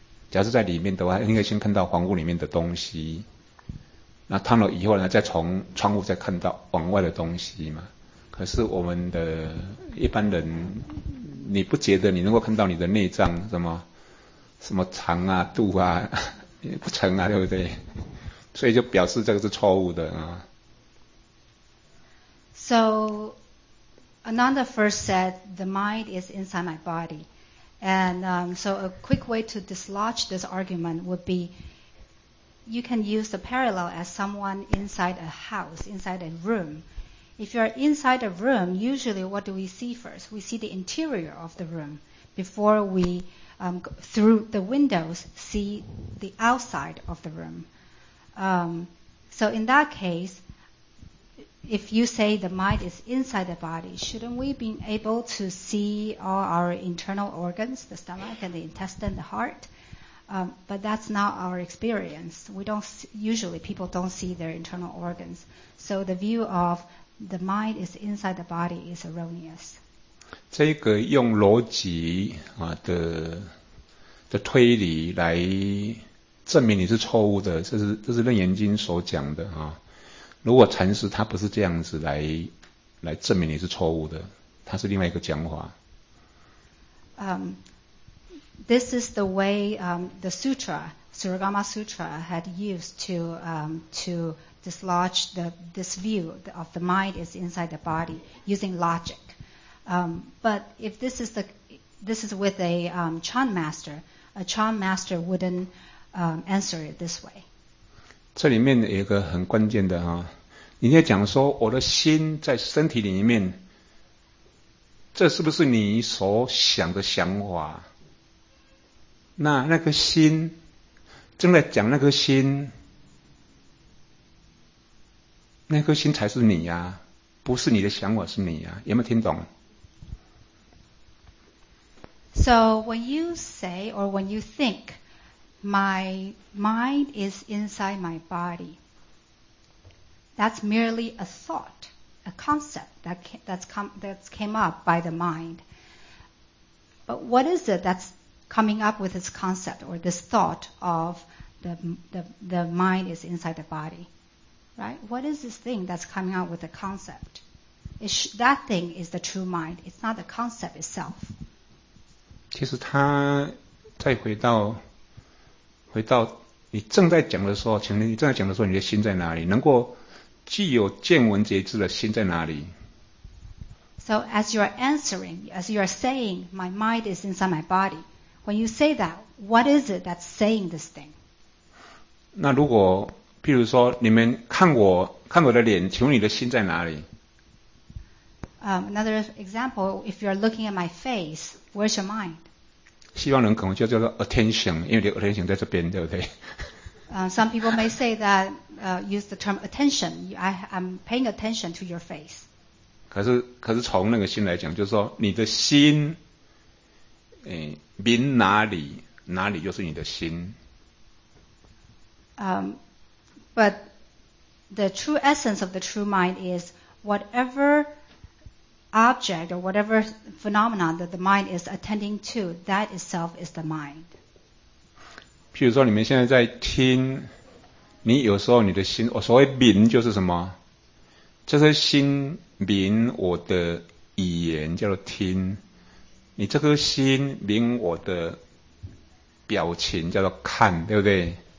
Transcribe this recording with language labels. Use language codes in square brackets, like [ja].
[zh] 假设在里面的话，应该先看到房屋里面的东西。那看了以后呢，再从窗户再看到往外的东西嘛。可是我们的一般人，你不觉得你能够看到你的内脏什么什么肠啊、肚啊、不成啊，对不对？所以就表示这个是错误的啊。 [en] So Ananda first said the mind is inside my body, and so a quick way to dislodge this argument would be. You can use the parallel as someone inside a house, inside a room. If you are inside a room, usually what do we see first? We see the interior of the room before we, through the windows, see the outside of the room. So in that case, if you say the mind is inside the body, shouldn't we be able to see all our internal organs, the stomach and the intestine, the heart? But that's not our experience. People don't see their internal organs. So the view of the mind is inside the body is erroneous. [zh] 这个用逻辑、啊、的推理来证明你是错误的，这是楞严经所讲的、啊、如果禅师他不是这样子来证明你是错误的，他是另外一个讲法。 [en] This is the way the sutra, Surugama Sutra, had used to dislodge this view of the mind is inside the body using logic. But if this is with a Chan master, a Chan master wouldn't answer it this way. [zh] 这里面有一个很关键的啊，你在讲说我的心在身体里面，这是不是你所想的想法？那个心正在讲，那颗心才是你啊，不是你的想法是你啊，有没有听懂？ [en] So when you say or when you think, my mind is inside my body, that's merely a thought, a concept that came up by the mind. But what is it that's coming up with this concept or this thought of the mind is inside the body, right? What is this thing that's coming up with the concept? That thing is the true mind. It's not the concept itself. [zh] 其实他再回到你正在讲的时候，请问你正在讲的时候，你的心在哪里？能够既有见闻觉知的心在哪里？ [en] So as you are answering, as you are saying, my mind is inside my body. When you say that, what is it that's saying this thing? [zh] 那如果譬如说你们看我的脸，请问你的心在哪里？ [en] Another example, if you are looking at my face, where's your mind? [zh] 西方人可能就叫做 attention, 因为你的 attention 在这边，对不对？ [en] Some people may say that, use the term attention. I'm paying attention to your face. [zh] 可是从那个心来讲，就是说你的心，明哪里，哪里就是你的心。 [en] But the true essence of the true mind is whatever object or whatever phenomenon that the mind is attending to, that itself is the mind. [zh] 譬如说你们现在在听，你有时候你的心，所谓明就是什么？这颗心明我的语言叫做听，你这颗心明我的表情叫做看，对不对？